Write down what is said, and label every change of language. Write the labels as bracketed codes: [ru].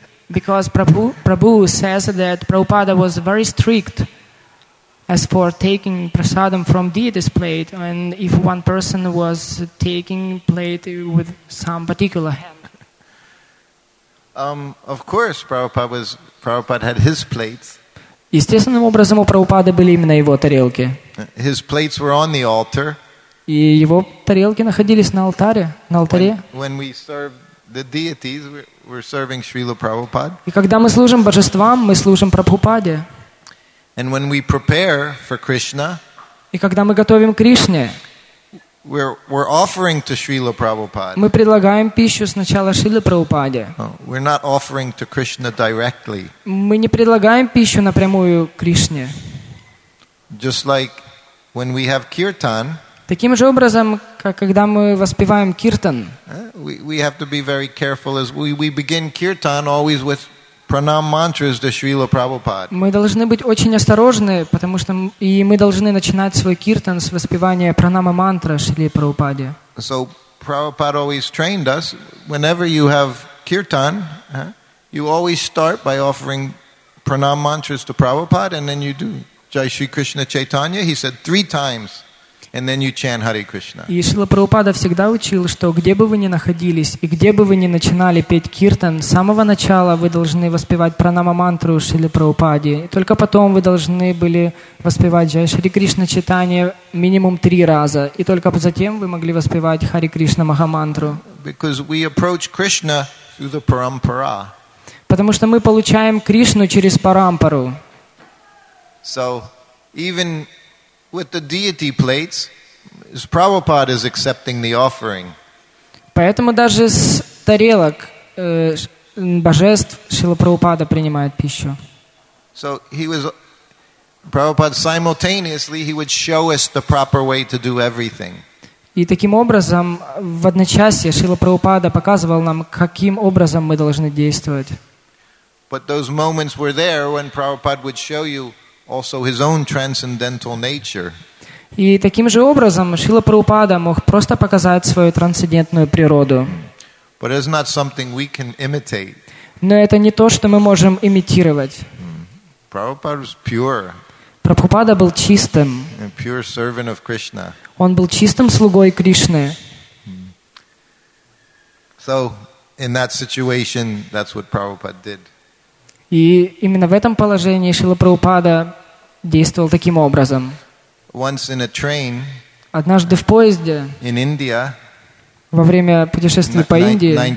[en] Because Prabhu says that Prabhupada was very strict as for taking prasadam from deity's plate, and if one person was taking plate with some particular hand. Of course, Prabhupada had his plates. [ru] Естественным образом у Прабхупады были именно его тарелки. [en] His plates were on the altar. [ru] И его тарелки находились на алтаре, на алтаре. [en] When we serve the deities, we're serving Srila Prabhupada. [ru] И когда мы служим божествам, мы служим Прабхупаде. [en] And when we prepare for Krishna, [ru] и когда мы готовим Кришне, [en] we're offering to Srila Prabhupada. [ru] Мы предлагаем пищу сначала Шриле Прабхупаде. [en] We're not offering to Krishna directly. [ru] Мы не предлагаем пищу напрямую Кришне. [en] Just like when we have kirtan. [ru] Таким же образом, как когда мы воспеваем киртан. [en] We have to be very careful as we begin kirtan always with pranam mantras to Srila Prabhupada. [ru] Мы должны быть очень осторожны, потому что и мы должны начинать свой киртан с воспевания пранама мантры Шриле Прабхупаде. [en] So Prabhupada always trained us, whenever you have kirtan, you always start by offering pranam mantras to Prabhupada and then you do Jai Shri Krishna Chaitanya, he said three times. And then you chant Hare Krishna. [ru] И Шрила Прабхупада всегда учил, что где бы вы ни находились и где бы вы ни начинали петь киртан, с самого начала вы должны воспевать пранама мантру Шрила Прабхупаде. И только потом вы должны были воспевать Джай Шри Кришна читание минимум три раза. И только затем вы могли воспевать Хари Кришна Махамантру. [en] Because we approach Krishna through the parampara. [ru] Потому что мы получаем Кришну через парампару. [en] So, even with the deity plates, Prabhupada is accepting the offering. [ru] Поэтому даже с тарелок божеств Шрила Прабхупада принимает пищу. [en] So he was Prabhupada simultaneously he would show us the proper way to do everything. [ru] И таким образом в одночасье Шрила Прабхупада показывал нам, каким образом мы должны действовать. [en] But those moments were there when Prabhupada would show you also his own transcendental nature. [ru] И таким же образом Шрила Прабхупада мог просто показать свою трансцендентную природу. [en] But it's not something we can imitate. [ru] Но это не то, что мы можем имитировать. [en] Prabhupada was pure. [ru] Прабхупада был чистым. [en] A pure servant of Krishna. [ru] Он был чистым слугой Кришны. [en] So in that situation, that's what Prabhupada did. [ru] И именно в этом положении Шрила Прабхупада действовал таким образом. [en] Once in a train, [ru] однажды в поезде [en] in India, [ru] во время путешествия по Индии